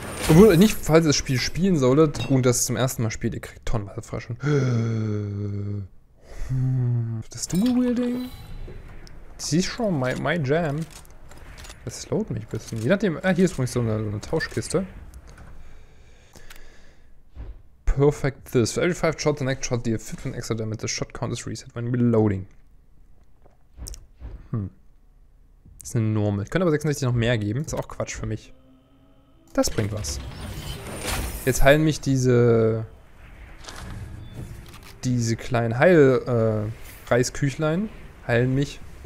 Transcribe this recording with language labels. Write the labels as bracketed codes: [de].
[de] Obwohl, nicht, falls ihr das Spiel spielen solltet und das zum ersten Mal spielt, ihr kriegt tonnenweise Fraschen. Das Dual-Wielding? Das ist schon [en] my Jam. [de] Das slowt mich ein bisschen. Je nachdem, hier ist übrigens so eine Tauschkiste. [en] Perfect this. For every 5 shots, the next shot deals 15 extra damage. The shot count is reset when reloading. [de] Das ist eine Normal. Ich könnte aber 66 noch mehr geben. Das ist auch Quatsch für mich. Das bringt was. Jetzt heilen mich diese kleinen Reisküchlein. Heilen mich.